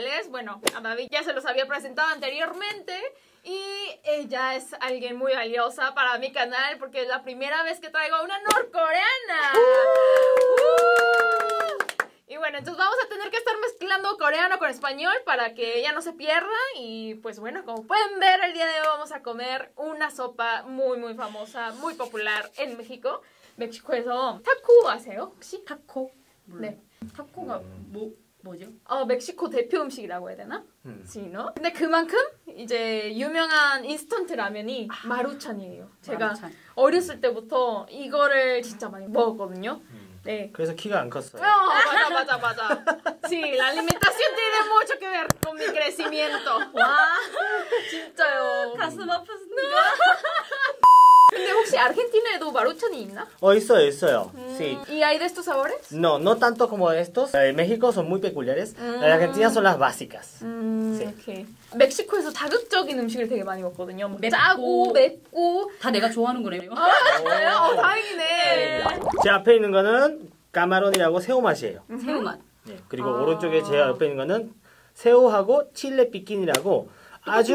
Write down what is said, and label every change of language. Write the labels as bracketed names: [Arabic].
[Spanish] Bueno, a David ya se los había presentado anteriormente y ella es alguien muy valiosa para mi canal porque es la primera vez que traigo a una norcoreana. Y bueno, entonces vamos a tener que estar mezclando coreano con español para que ella no se pierda. Y pues bueno, como pueden ver, el día de hoy vamos a comer una sopa muy, muy famosa, muy popular en México. [Korean] México에서 타코 아세요, 혹시? 타코. 네. 타코가 뭐죠? 멕시코 대표 음식이라고 해야 되나? 진어? 근데 그만큼 이제 유명한 인스턴트 라면이 마루찬이에요. 제가 마루찬. 어렸을 때부터 이거를 진짜 많이 먹었거든요. 네. 그래서 키가 안 컸어요. 맞아, 맞아, 맞아. [Spanish] Sí, la alimentación tiene mucho que ver con mi crecimiento. [Korean] 와, 진짜요. 가슴 아프신가? 근데 혹시 아르헨티나에도 마루찬이 있나? 있어요, 있어요. Sí. [Spanish] ¿Y hay de estos sabores? No, no tanto como estos. En México son muy peculiares. En Argentina son las básicas. Sí. [English] Okay. [Korean] 멕시코에서 자극적인 음식을 되게 많이 먹거든요. 뭐 맵고, 짜고, 맵고. 다 내가 좋아하는 거네요. 다행이네. 제 앞에 있는 거는 까마론이라고 새우 맛이에요. 새우맛. 네, 그리고 오른쪽에 제 옆에 있는 거는 새우하고 칠레 삐낀이라고 아주